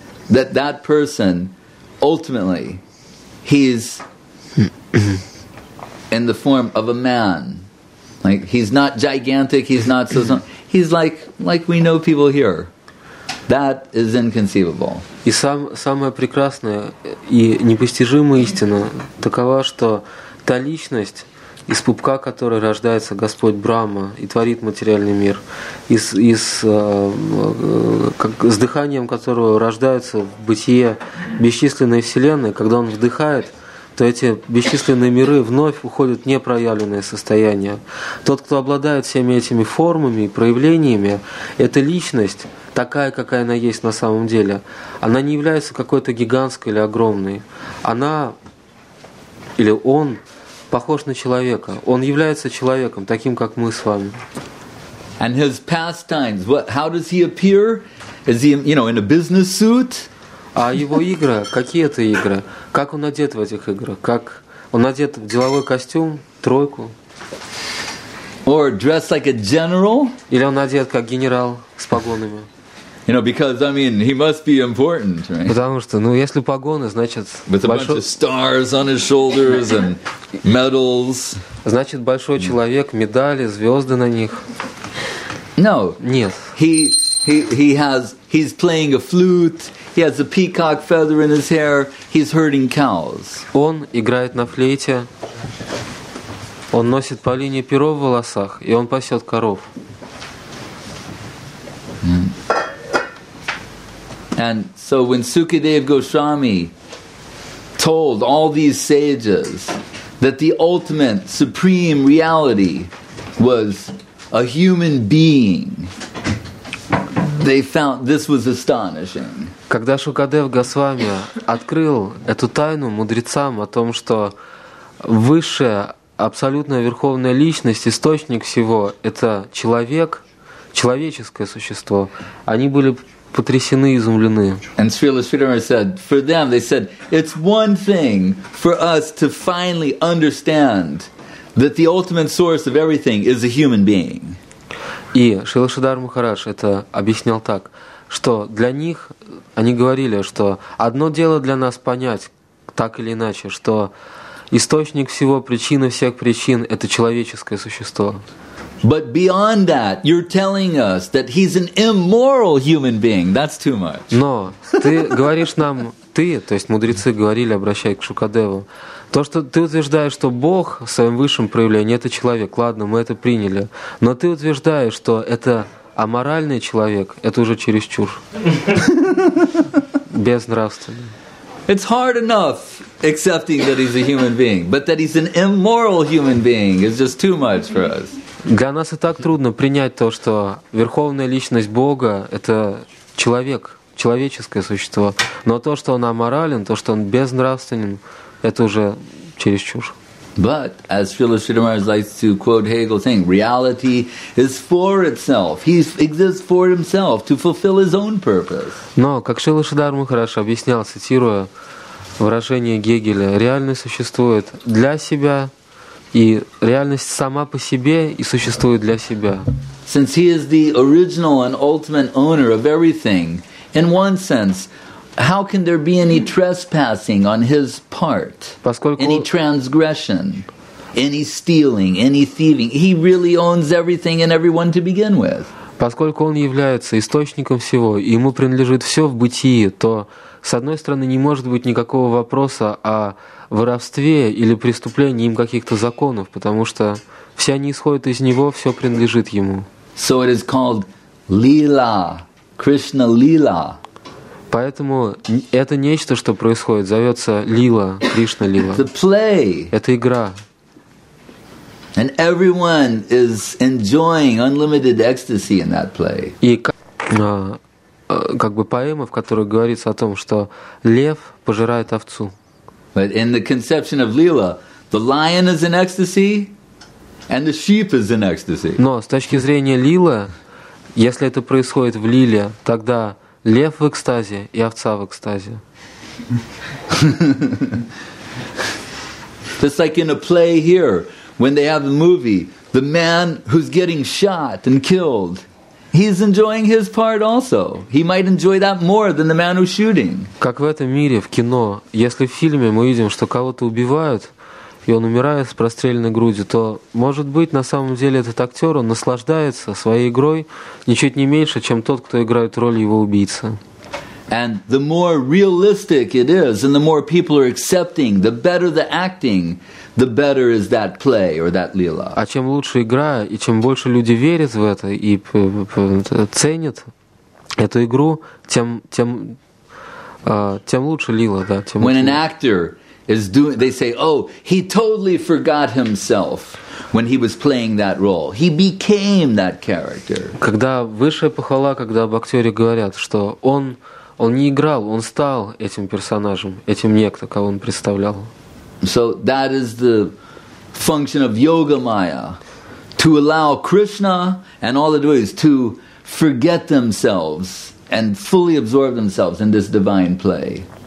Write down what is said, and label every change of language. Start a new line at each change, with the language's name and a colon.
English: That person, ultimately, he's in the form of a man. Like, he's not gigantic, he's not so small. He's like we know people here. That is inconceivable.
Russian: И самая прекрасная и непостижимая истина такова, что та личность, из пупка которой рождается Господь Брахма и творит материальный мир, с дыханием которого рождаются в бытие бесчисленные вселенные, когда он вдыхает, то эти бесчисленные миры вновь уходят в непроявленное состояние. Тот, кто обладает всеми этими формами и проявлениями, эта личность, такая, какая она есть на самом деле, она не является какой-то гигантской или огромной. Она или он похож на человека. Он является человеком, таким, как мы с вами.
English: And his pastimes, how does he appear? Is he, you know, in a business suit?
Russian: А его игры, какие это игры? Как он одет в этих играх? Как он одет в деловой костюм, тройку?
English: Or dressed like a general?
Russian: Или он одет как генерал с погонами?
English: You know, because I mean, he must be important, right?
Russian: Потому что, ну, если погоны, значит,
English: with a bunch of stars on his shoulders and medals.
Russian: Значит, большой человек, медали, звезды на них.
English: No.
Russian: Нет.
English: He's playing a flute. He has a peacock feather in his hair. He's herding cows.
Russian: Он играет на флейте. Он носит полинье перо в волосах, и он пасет коров.
English: And so when Sukadev Goswami told all these sages that the ultimate supreme reality was a human being, they found this was astonishing.
Russian: Когда Шукадев Госвами открыл эту тайну мудрецам о том, что высшая абсолютная верховная личность, источник всего, это человек, человеческое существо, они были потрясены, изумлены.
English: And Srila Sridhara said, for them, they said, it's one thing for us to finally understand that the ultimate source of everything is a human being.
Russian: И Шрила Шридхара Махарадж это объяснял так, что для них, они говорили, что одно дело для нас понять, так или иначе, что источник всего, причина всех причин – это человеческое существо.
English: But beyond that, you're telling us that he's an immoral human being. That's too much.
Russian: Но ты говоришь нам ты, то есть мудрецы говорили, обращаясь к Шукадеву, то, что ты утверждаешь, что Бог в своем высшем проявлении – это человек, ладно, мы это приняли, но ты утверждаешь, что это аморальный человек – это уже чересчур, безнравственный.
English: It's hard enough accepting that he's a human being, but that he's an immoral human being is just too much for us.
Russian: Для нас и так трудно принять то, что верховная личность Бога – это человек, человеческое существо. Но то, что он аморален, то, что он безнравственен, это уже чересчур.
English: But as Phyllis Schittermeyer likes to quote Hegel, saying reality is for itself. He exists for himself to fulfill his own purpose.
Russian: Но как Шилла Шидарма хорошо объяснял, цитируя выражение Гегеля, реальность существует для себя, и реальность сама по себе и существует для себя.
English: Since he is the original and ultimate owner of everything, in one sense, how can there be any trespassing on his part?
Russian: Поскольку
English: any transgression, any stealing, any thieving. He really owns everything and everyone to begin with.
Russian: Поскольку он является источником всего, и ему принадлежит все в бытии, то с одной стороны не может быть никакого вопроса о воровстве или преступлении им каких-то законов, потому что все они исходят из него, все принадлежит ему.
English: So it is called Lila, Krishna Lila.
Russian: Поэтому это нечто, что происходит, зовется Лила, Кришна Лила.
English: The play.
Russian: Это игра.
English: And everyone is enjoying unlimited ecstasy in that play.
Russian: И как бы поэма, в которой говорится о том, что лев пожирает овцу.
English: But in the conception of Lila, the lion is in ecstasy, and the sheep is in ecstasy.
Russian: Но с точки зрения Лила, если это происходит в Лиле, тогда лев в экстазе и овца в экстазе.
English: Just like in a play here, when they have a movie, the man who's getting shot and killed, he's enjoying his part also. He might enjoy that more than the man who's shooting.
Russian: Как в этом мире, в кино, если в фильме мы видим, что кого-то убивают, и он умирает с простреленной грудью, то, может быть, на самом деле этот актер, он наслаждается своей игрой ничуть не меньше, чем тот, кто играет роль его убийцы.
English: And the more realistic it is, and the more people are accepting, the better the acting, the better is that play or that lila.
Russian: А чем лучше игра, и чем больше люди верят в это и ценят эту игру, тем лучше лила, да.
English: When an actor is doing, they say, oh, he totally forgot himself when he was playing that role. He became that character.
Russian: Когда высшая похвала, когда об актере говорят, что он не играл, он стал этим персонажем, этим некто, кого он представлял.
English: So that is the function of yoga maya, to allow Krishna and all the devotees to forget themselves and fully absorb themselves in this divine play.